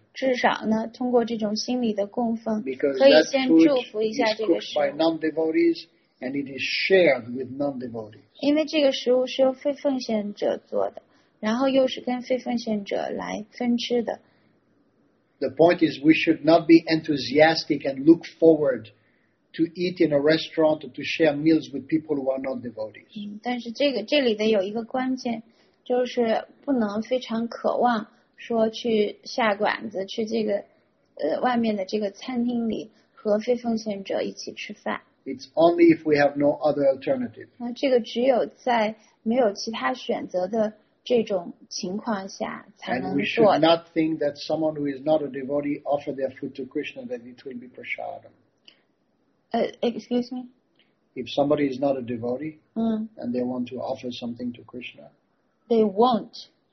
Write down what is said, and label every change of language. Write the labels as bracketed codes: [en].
[zh] 至少呢, 通过这种心理的供奉, [en] because [zh] 可以先祝福一下这个食物。 [en] Because that food is cooked by non-devotees and it is shared with non-devotees. [zh] 因为这个食物是由非奉献者做的。然后又是跟非奉献者来分吃的。 [en] The point is we should not be enthusiastic and look forward to eat in a restaurant or to share meals with people who are not devotees. [zh] 但是这里的有一个关键, 就是不能非常渴望说去下馆子去这个, 外面的这个餐厅里和非奉献者一起吃饭。 [en] It's only if we have no other alternative. [zh] 这个只有在没有其他选择的 [en] And we should not think that someone who is not a devotee offer their food to Krishna, that it will be prasadam. Excuse me? If somebody is not a devotee and they want to offer something to Krishna, they won't.